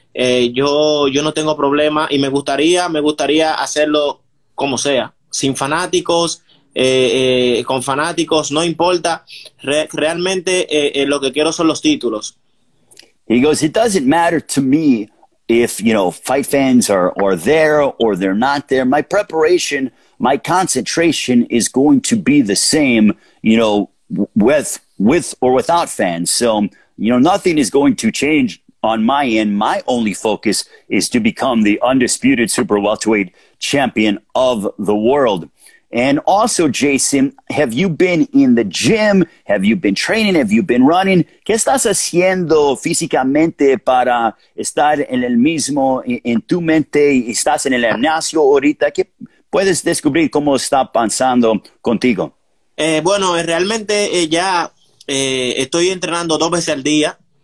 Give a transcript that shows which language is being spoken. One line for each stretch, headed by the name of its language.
Spanish: Yo no tengo problema y me gustaría hacerlo como sea, sin fanáticos. Con fanáticos, no importa, realmente lo que quiero son los títulos.
English: He goes, it doesn't matter to me if, fight fans are there or they're not there. My preparation, my concentration is going to be the same, with or without fans. So, nothing is going to change on my end. My only focus is to become the undisputed super welterweight champion of the world. And also, Jason, have you been in the gym? Have you been training? Have you been running?
Spanish: ¿Qué estás haciendo físicamente para estar en el mismo en tu mente? ¿Estás en el gimnasio ahorita? ¿Qué puedes descubrir cómo está pensando contigo? Bueno, realmente ya estoy entrenando 2 veces al día.